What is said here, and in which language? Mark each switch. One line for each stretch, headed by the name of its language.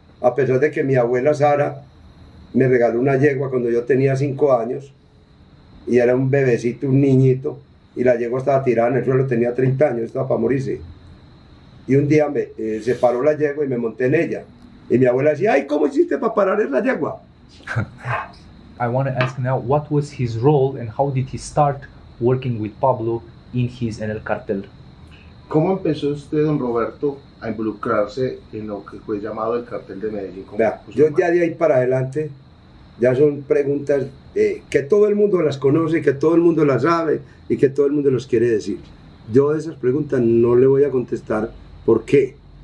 Spanish: A pesar de que mi abuela Sara me regaló una yegua cuando yo tenía 5 años y era un bebecito, un niñito, y la yegua estaba tirada en el suelo, tenía 30 años, estaba para morirse. Y un día se paró la yegua y me monté en ella. Y mi abuela decía, ay, ¿cómo hiciste para parar esa yegua?
English: I want to ask now, what was his role and how did he start working with Pablo in his
Spanish: en el
English: cartel?
Spanish: ¿Cómo empezó usted, don Roberto, a involucrarse en lo que fue llamado el cartel de Medellín? Vea, yo ya de ahí para adelante, ya son preguntas que todo el mundo las conoce, que todo el mundo las sabe y que todo el mundo las quiere decir. Yo esas preguntas no le voy a contestar. ¿Por qué?